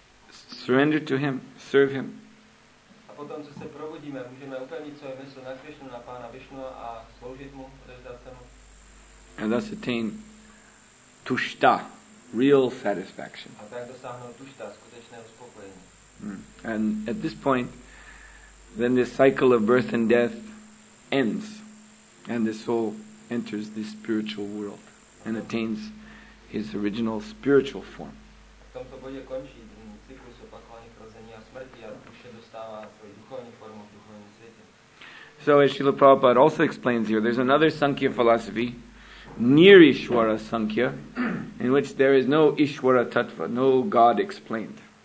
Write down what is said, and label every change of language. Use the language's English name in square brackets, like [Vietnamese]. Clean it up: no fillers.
[English] Surrender to him, serve him. [Czech] Potom, co se probudíme, můžeme upevnit svoje mysl na Krišnu, na Pána Vishnu a sloužit mu, odevzdat se mu. [English] And thus attain tušta, real satisfaction. [Czech] A tak dosáhnout tušta, skutečné uspokojení. [English] And at this point, then this cycle of birth and death ends, and the soul enters the spiritual world and attains his original spiritual form. [Czech] A v tomto bodě končí cyklus opakovaných rození a smrti a duše dostává svoji duchovní formu v duchovním světě. [English] So as Srila Prabhupada also explains here, there's another Sankhya philosophy, Nirishwara Sankhya, in which there is no Ishwara Tattva, no God explained.